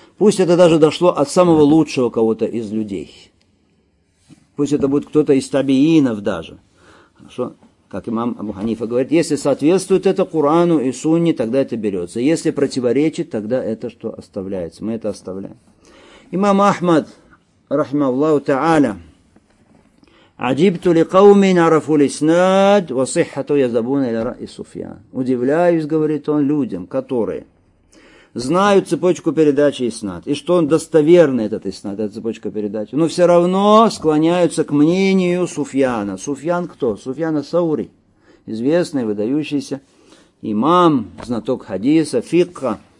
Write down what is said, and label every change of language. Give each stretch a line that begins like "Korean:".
Russian: Пусть это даже дошло от самого лучшего кого-то из людей. Пусть это будет кто-то из табиинов даже. Хорошо. Как имам Абу Ханифа говорит, если соответствует это Корану и Сунне, тогда это берется. Если противоречит, тогда это что оставляется. Мы это оставляем. Имам Ахмад, рахмаллаху та'аля,
Arabic: عجبتُ لقومٍ عرفوا الإسناد وصحته يذهبون إلى رأي سفيان.
Russian: Удивляюсь, говорит он, людям, которые знают цепочку передачи иснад, и что он достоверный, этот иснад, эта цепочка передачи, но все равно склоняются к мнению Суфьяна. Суфьян кто? Суфьян ас-Саури. известный, выдающийся имам, знаток хадиса, фикха.